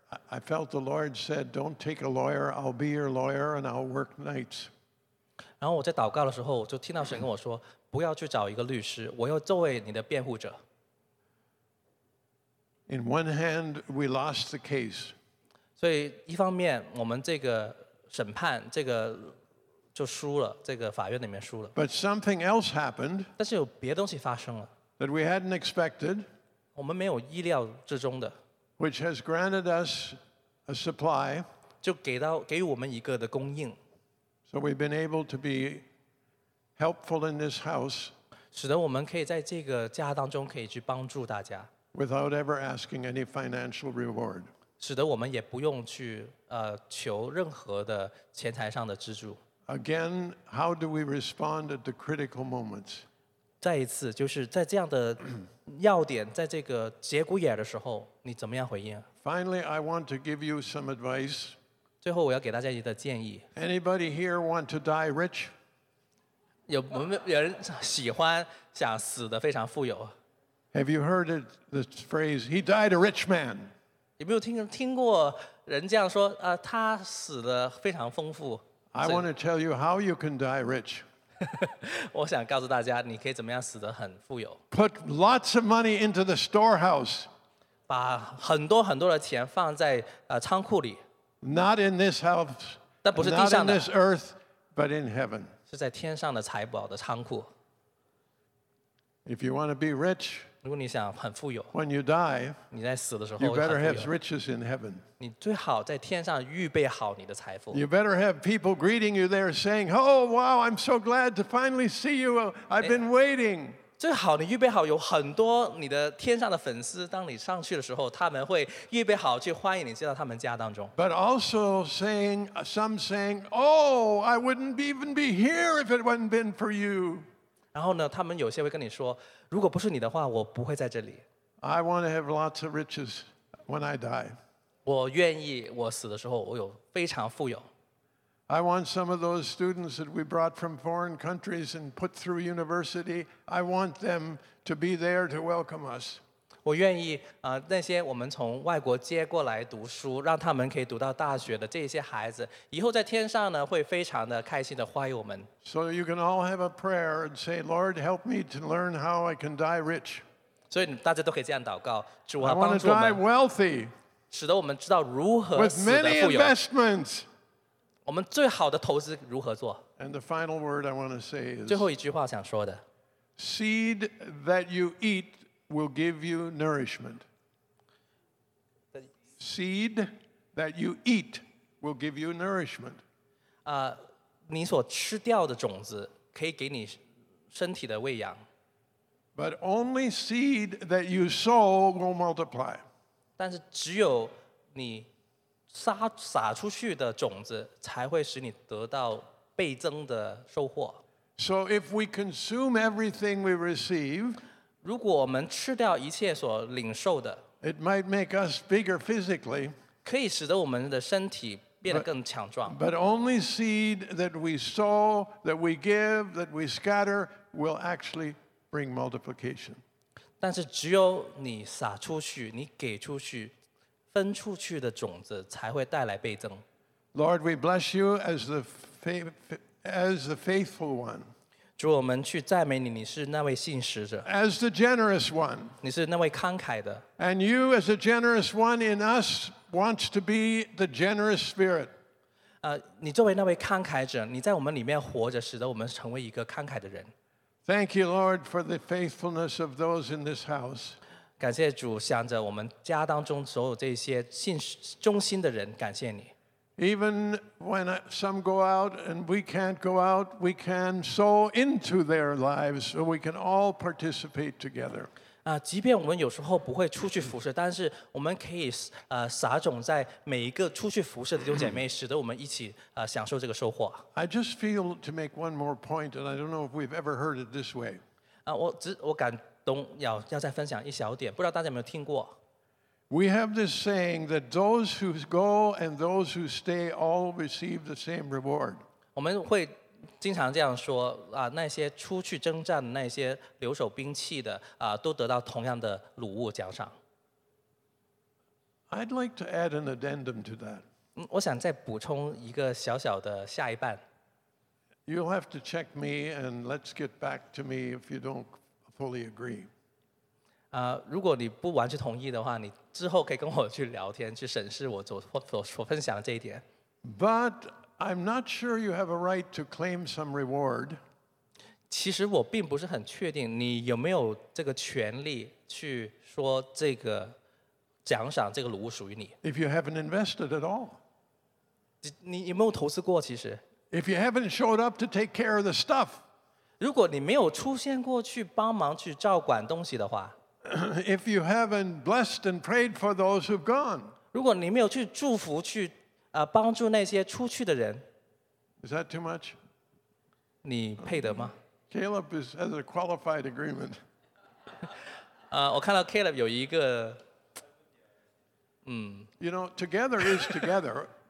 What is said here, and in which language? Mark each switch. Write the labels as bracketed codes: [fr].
[en] I felt the Lord said, "Don't take a lawyer. I'll be your lawyer, and I'll work nights." [zh] 然后我在祷告的时候，我就听到神跟我说，不要去找一个律师，我要作为你的辩护者。 [en] In one hand, we lost the case. [zh] 所以一方面，我们这个审判这个就输了，这个法院里面输了。 [en] But something else happened. [zh] 但是有别的东西发生了。 [en] That we hadn't expected. [zh] 我们没有意料之中的。 [en] Which has granted us a supply. [zh] 就给予我们一个的供应。 [en] So we've been able to be helpful in this house. [zh] 使得我们可以在这个家当中可以去帮助大家。 [en] Without ever asking any financial reward. [zh] 使得我们也不用去求任何的钱财上的资助。 [en] Again, how do we respond at the critical moments? [zh] 再一次，就是在这样的要点，在这个节骨眼的时候，你怎么样回应？ [en] Finally, I want to give you some advice. [zh] 最后，我要给大家一个建议。 [en] Anybody here want to die rich? [zh] 有没有人喜欢想死得非常富有？ [en] Have you heard it, the phrase, he died a rich man? [zh] 有没有听过人这样说他死得非常丰富。 [en] I want to tell you how you can die rich. [zh] 我想告诉大家你可以怎么样死得很富有。 [en] Put lots of money into the storehouse. [zh] 把很多很多的钱放在仓库里。 [en] Not in this house, [zh] 但不是地上的。 [en] Not in this earth, but in heaven. [zh] 是在天上的财宝的仓库。 [en] If you want to be rich, when you die, [zh] 你在死的时候 [en] you better have riches in heaven. [zh] 你最好在天上预备好你的财富。 [en] You better have people greeting you there saying, oh, wow, I'm so glad to finally see you. I've been waiting. [zh] 最好你预备好有很多你的天上的粉丝当你上去的时候他们会预备好去欢迎你进到他们家当中。 [en] But also saying, some saying, oh, I wouldn't even be here if it hadn't been for you. [zh] 然后呢他们有些会跟你说如果不是你的话我不会在这里。 [en] I want to have lots of riches when I die. [zh] 我愿意我死的时候我有非常富有。 [en] I want some of those students that we brought from foreign countries and put through university, I want them to be there to welcome us. [zh] 我愿意那些我们从外国接过来读书让他们可以读到大学的这些孩子以后在天上呢会非常的开心的欢迎我们。 [en] So you can all have a prayer and say, Lord, help me to learn how I can die rich. [zh] 所以大家都可以这样祷告主啊帮助我们。 [en] I want to die wealthy. [zh] 使得我们知道如何死得富有。 [en] With many investments. [zh] 我们最好的投资如何做。 [en] And the final word I want to say is, [zh] 最后一句话想说的。 [en] Seed that you eat,will give you nourishment. Seed that you eat will give you nourishment. [zh] 你所吃掉的种子可以给你身体的喂养。 [en] But only seed that you sow will multiply. [zh] 但是只有你撒出去的种子才会使你得到倍增的收获。 [en] So if we consume everything we receive, [zh] 如果我们吃掉一切所领受的 [en] ，It might make us bigger physically， [zh] 可以使得我们的身体变得更强壮。 [en] But only seed that we sow, that we give, that we scatter will actually bring multiplication。 [zh] 但是只有你撒出去、你给出去、分出去的种子才会带来倍增。 [en] Lord, we bless you as the faithful one。 [zh] 主我们去赞美你你是那位信实者 [en] as the generous one [zh] 你是那位慷慨的 [en] and you as a generous one in us wants to be the generous spirit [zh] 你作为那位慷慨者你在我们里面活着使得我们成为一个慷慨的人 [en] thank you Lord for the faithfulness of those in this house [zh] 感谢主想着我们家当中所有这些信忠心的人感谢你 [en] Even when some go out and we can't go out, we can sow into their lives so we can all participate together. [zh] 即便我们有时候不会出去服侍，但是我们可以撒种在每一个出去服侍的弟兄姐妹，使得我们一起享受这个收获。 [en] I just feel to make one more point, and I don't know if we've ever heard it this way. [zh] 我感动要再分享一小点，不知道大家有没有听过。 [en] We have this saying that those who go and those who stay all receive the same reward. [zh] 我们会经常这样说那些出去征战的那些留守兵器的都得到同样的礼物奖赏。 [en] I'd like to add an addendum to that. [zh] 我想再补充一个小小的下一半。 [en] You'll have to check me and let's get back to me if you don't fully agree. [zh] 如果你不完全同意的话，你之后可以跟我去聊天，去审视我所分享的这一点。 [en] But I'm not sure you have a right to claim some reward. [zh] 其实我并不是很确定你有没有这个权利去说这个奖赏这个礼物属于你。 [en] If you haven't invested at all. [zh] 你有没有投资过其实？ [en] If you haven't showed up to take care of the stuff. [zh] 如果你没有出现过去帮忙去照管东西的话。 [en] If you haven't blessed and prayed for those who've gone. [zh] 如果你没有去祝福去帮助那些出去的人。 [en] Is that too much? [zh] 你配得吗？ [en] Caleb has a qualified agreement. [zh] 我看到 Caleb 有一个 [en] You know, together is together.